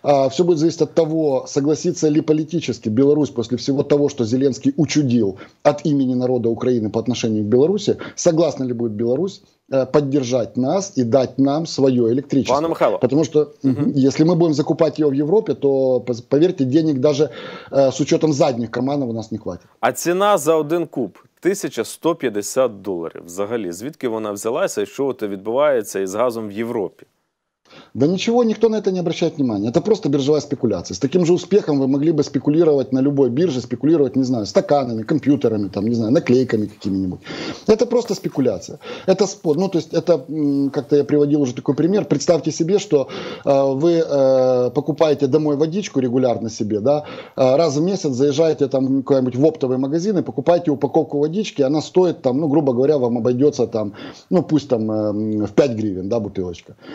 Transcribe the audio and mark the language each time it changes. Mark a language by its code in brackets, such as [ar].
[ru] Все будет зависеть от того, согласится ли политически Беларусь после всего того, что Зеленский учудил от имени народа Украины по отношению к Беларуси, согласна ли будет Беларусь поддержать нас и дать нам свое электричество. [uk] Пане Михайло. [ru] Потому что если мы будем закупать ее в Европе, то, поверьте, денег даже с учетом задних карманов у нас не хватит. А цена за один куб 1150 долларов. [uk] Взагалі, звідки вона взялася [ru] и что это [uk] відбувається із газом в Европе? [ru] Да ничего, никто на это не обращает внимания. Это просто биржевая спекуляция. С таким же успехом вы могли бы спекулировать на любой бирже, спекулировать, не знаю, стаканами, компьютерами, там, не знаю, наклейками какими-нибудь. Это просто спекуляция. Это спор. Ну, то есть, это, как-то я приводил уже такой пример. Представьте себе, что вы покупаете домой водичку регулярно себе, да, раз в месяц заезжаете там куда-нибудь в оптовый магазин и покупаете упаковку водички, она стоит там, ну, грубо говоря, вам обойдется там, ну, пусть там в 5 гривен, да, бутылочка.